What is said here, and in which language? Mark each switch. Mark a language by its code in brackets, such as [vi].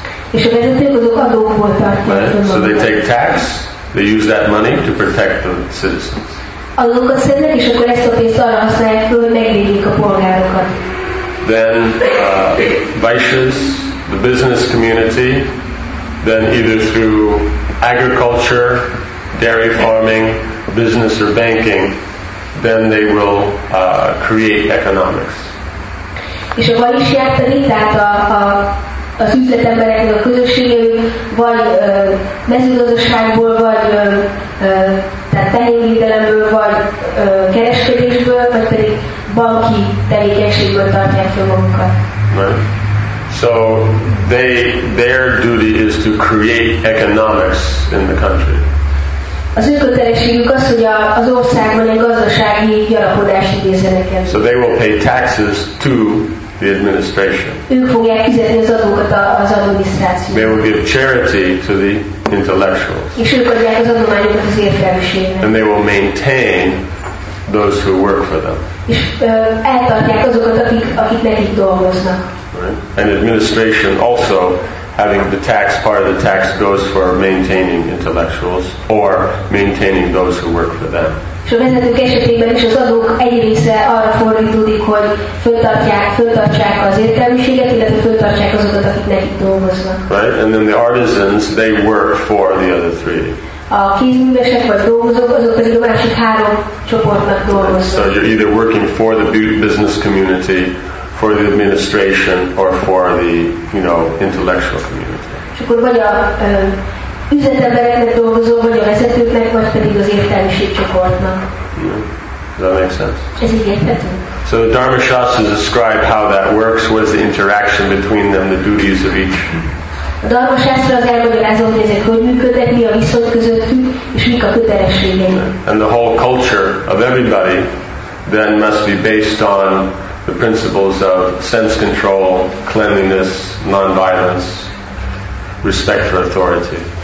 [hu] És a vezetők azok adókból tartják. [en] So they take tax, they use that money to protect the citizens. [hu] Adókat szednek, és akkor ezt a pénzt arra használják, hogy megvédjék a polgárokat. [en] Then vaishyas, the business community, then either through agriculture, dairy farming, business or banking, then they will create economics. [hu] És a vaishyák pedig, tehát az üzletembereknek a közössége, vagy mezőgazdaságból, vagy tehát tehénvédelemből, vagy kereskedésből, vagy pedig banki tevékenységből tartják jogokat. [en] So their duty is to create economics in the country. [hu] Az ő kötelességük az, hogy az országban egy gazdasági gyarapodást idézzenek el. [en] So they will pay taxes to the administration. [hu] Ők fogják fizetni az adókat az adminisztrációnak. [en] They will give charity to the intellectuals. [hu] És ők adják az adományokat az értelmiségnek. [en] And they will maintain those who work for them. [hu] És eltartják azokat, akik nekik dolgoznak. [en] Right. And administration also, having the tax, part of the tax goes for maintaining intellectuals or maintaining those who work for them. [hu] És a vezetők esetében is az adók egy része arra fordítódik, hogy föltartsák az értelmiséget, illetve föltartsák azokat, akik nekik dolgoznak. [en] Right, and then the artisans, they work for the other three. [hu] A kézművesek vagy dolgozók, azok pedig a másik három csoportnak dolgoznak. [en] So you're either working for the business community, for the administration, or for the, you know, intellectual community. [hu] És akkor vagy a üzletembereknek dolgozó, vagy a vezetőknek, vagy pedig az értelmiség csoportnak. [en] Does that make sense? [hu] Ez így érthető. [en] So the Dharmashastras describe how that works, what is the interaction between them, the duties of each. [hu] A Dharmashastra az elmagyarázza, hogy ezek hogy működnek, mi a viszony közöttük, és mik a kötelességei. [en] And the whole culture of everybody then must be based on the principles of sense control, cleanliness, non-violence, respect for authority.